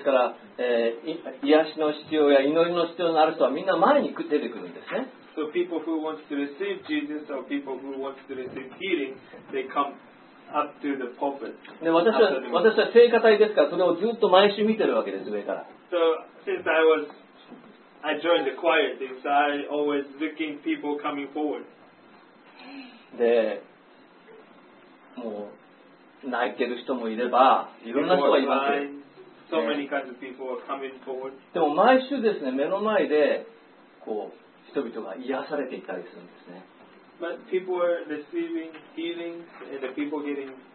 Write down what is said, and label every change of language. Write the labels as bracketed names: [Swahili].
[Japanese] ですから、癒しの必要や祈りの必要のある人はみんな前に出てくるんですね。 [English] So people who wants to receive Jesus or people who wants to receive healing, they come up to the pulpit. [Japanese] で、私は聖歌隊ですから、それをずっと毎週見てるわけです、上から。 [English] So since I joined the choir, thing, so I always looking people coming forward. [Japanese] で。もう泣いてる人もいれば、いろんな人がいます。 [English] So many kinds of people are coming forward. [Japanese] でも毎週ですね、目の前でこう人々が癒されていたりするんですね。 [English] But people are receiving healings and the people getting